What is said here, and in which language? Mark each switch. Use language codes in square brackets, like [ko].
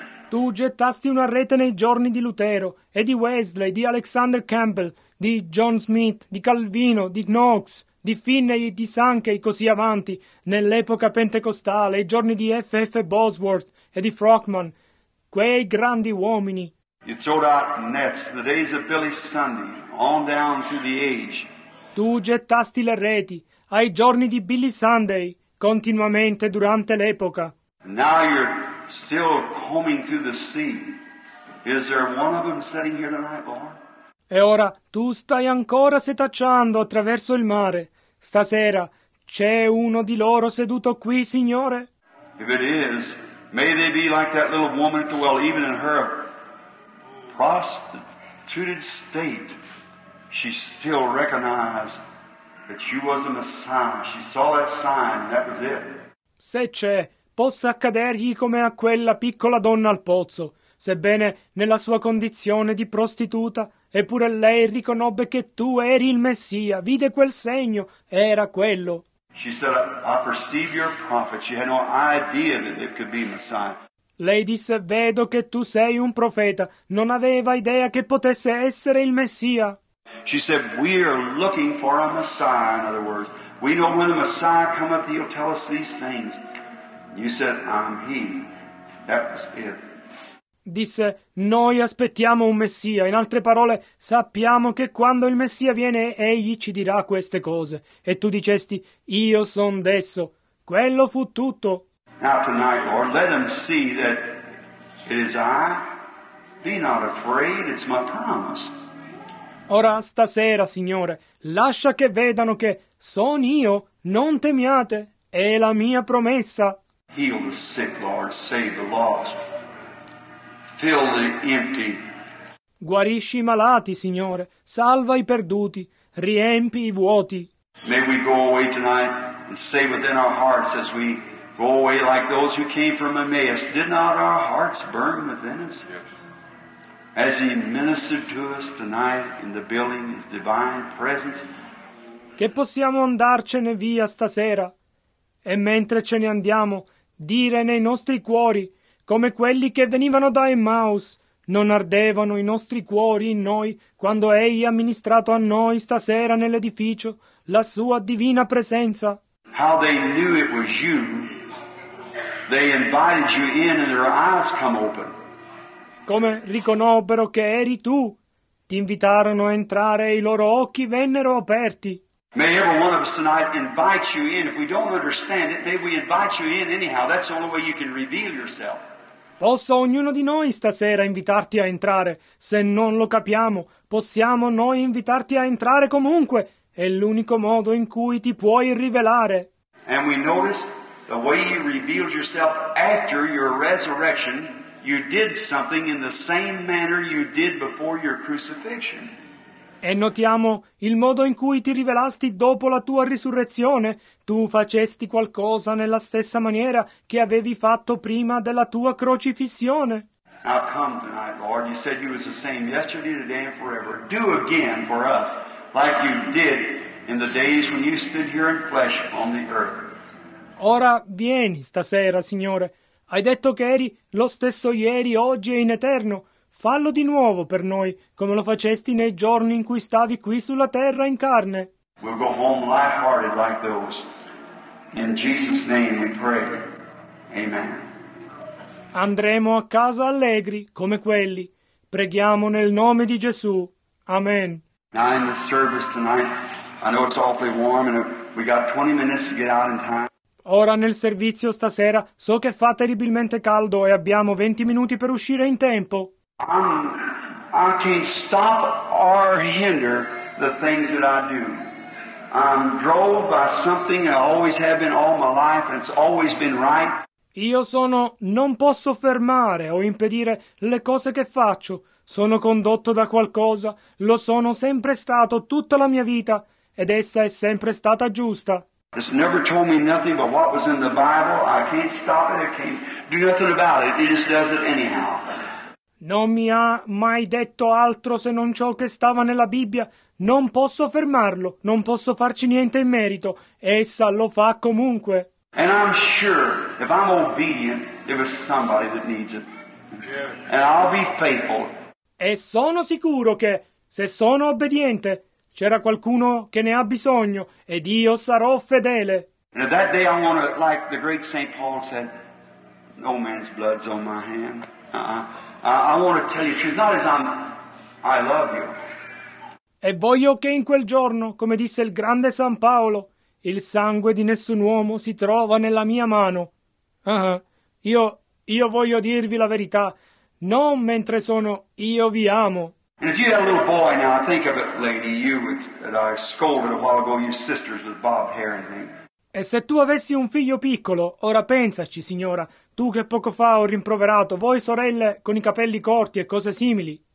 [it] Tu gettasti una rete nei giorni di Lutero e di Wesley, di Alexander Campbell, di John Smith, di Calvino, di Knox, di Finney, di Sankey, così avanti, nell'epoca pentecostale, i giorni di F.F. Bosworth e di Frohman, quei grandi uomini. [en] You throw out nets, the days of Billy Sunday, on down through the age. [it] Tu gettasti le reti ai giorni di Billy Sunday, continuamente durante l'epoca. [en] Now you're still combing through the sea. Is there one of them sitting here tonight, Lord? [it] E ora tu stai ancora setacciando attraverso il mare. Stasera c'è uno di loro seduto qui, Signore? [en] If it is, may they be like that little woman at the well, even in her prostituted state. She still recognized that you was the Messiah. She saw that sign, and that was it. [it] Se c'è, possa accadergli come a quella piccola donna al pozzo, sebbene nella sua condizione di prostituta, eppure lei riconobbe che tu eri il Messia, vide quel segno, era quello. [en] She said, I perceive your prophet. She had no idea that it could be Messiah. [it] Lei disse, vedo che tu sei un profeta. Non aveva idea che potesse essere il Messia. [en] She said, we are looking for a Messiah, in other words. We know when the Messiah cometh, he'll tell us these things. You said, I'm he. That was it. [it] Disse, noi aspettiamo un Messia. In altre parole, sappiamo che quando il Messia viene, egli ci dirà queste cose. E tu dicesti, io son desso. Quello fu tutto. [en] Now tonight, Lord, let them see that it is I. Be not afraid, it's my promise. [it] Ora stasera, Signore, lascia che vedano che son io, non temiate, è la mia promessa. [en] Heal the sick, Lord, save the lost. Fill the empty. [it] Guarisci i malati, Signore, salva i perduti, riempi i vuoti. [en] May we go away tonight and say within our hearts as we go away like those who came from Emmaus, did not our hearts burn within us? As he ministered to us tonight in the building, his divine presence. [it] Che possiamo andarcene via stasera e mentre ce ne andiamo dire nei nostri cuori come quelli che venivano da Emmaus non ardevano i nostri cuori in noi quando egli ha ministrato a noi stasera nell'edificio la sua divina presenza. [en] How they knew it was you. They invited you in and their eyes come open. [it] Come riconobbero che eri tu. Ti invitarono a entrare e i loro occhi vennero aperti. [en] May every one of us tonight invite you in. If we don't understand it, may we invite you in anyhow. That's the only way you can reveal yourself. [it] Posso ognuno di noi stasera invitarti a entrare. Se non lo capiamo, possiamo noi invitarti a entrare comunque. È l'unico modo in cui ti puoi rivelare. [en] And we notice the way you revealed yourself after your resurrection. You did something in the same manner you did before your crucifixion. [it] E notiamo il modo in cui ti rivelasti dopo la tua risurrezione. Tu facesti qualcosa nella stessa maniera che avevi fatto prima della tua crocifissione. [en] Now come tonight, Lord. You said you was the same yesterday, today, and forever. Do again for us like you did in the days when you stood here in flesh on the earth. [it] Ora vieni stasera, Signore. Hai detto che eri lo stesso ieri, oggi e in eterno. Fallo di nuovo per noi, come lo facesti nei giorni in cui stavi qui sulla terra in carne. [en] We'll go home light-hearted like those. In Jesus' name we pray. Amen. [it] Andremo a casa allegri, come quelli. Preghiamo nel nome di Gesù. Amen. [en] Now in the service tonight, I know it's awfully warm and we got 20 minutes to get out in time. [it] Ora nel servizio stasera so che fa terribilmente caldo e abbiamo 20 minuti per uscire in tempo. [en] I can't stop or hinder the things that I do. I'm drove by something I always have been all my life and it's always been right. [it] Io sono non posso fermare o impedire le cose che faccio. Sono condotto da qualcosa, lo sono sempre stato tutta la mia vita ed essa è sempre stata giusta. [en] It's never told me nothing but what was in the Bible. I can't stop it. I can't do nothing about it. It just does it anyhow. [it] Non mi ha mai detto altro se non ciò che stava nella Bibbia. Non posso fermarlo. Non posso farci niente in merito. Essa lo fa comunque. [en] And I'm sure if I'm obedient, there is somebody that needs it. Yeah. And I'll be faithful. [it] E sono sicuro che se sono obbediente. C'era qualcuno che ne ha bisogno, ed io sarò fedele. [en] And that day I want to, like the great St. Paul said, no man's blood's on my hand. I want to tell you the truth, not as I love you. [it] E voglio che in quel giorno, come disse il grande San Paolo, il sangue di nessun uomo si trova nella mia mano. Io voglio dirvi la verità, non mentre sono io vi amo. [en] And if you had a little boy now, think of it, lady, you that I scolded a while ago, your sisters with bob hair and things. [it] E se tu avessi un figlio piccolo, ora pensaci, signora, tu che poco fa ho rimproverato, voi sorelle con i capelli corti e cose simili.